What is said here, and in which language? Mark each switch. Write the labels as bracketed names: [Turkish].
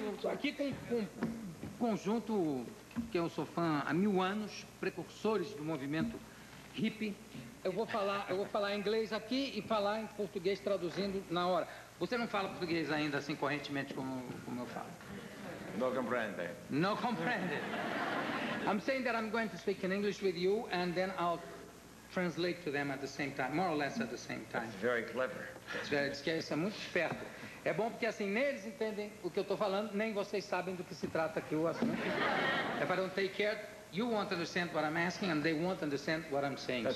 [Portuguese] aqui com um conjunto que eu sou fã há 1000 anos, precursores do movimento hippie. Eu vou falar inglês aqui e falar em português traduzindo na hora. Você não fala português ainda assim correntemente como eu falo? [Spanish] No comprende. No comprende. [English] I'm saying that I'm going to speak in English with you and then I'll translate to them at the same time, more or less at the same time. That's very clever. [Portuguese] Isso é muito esperto. É bom porque assim, nem eles entendem o que eu estou falando, nem vocês sabem do que se trata aqui o assunto. [English] If I don't take care, you won't understand what I'm asking and they won't understand what I'm saying.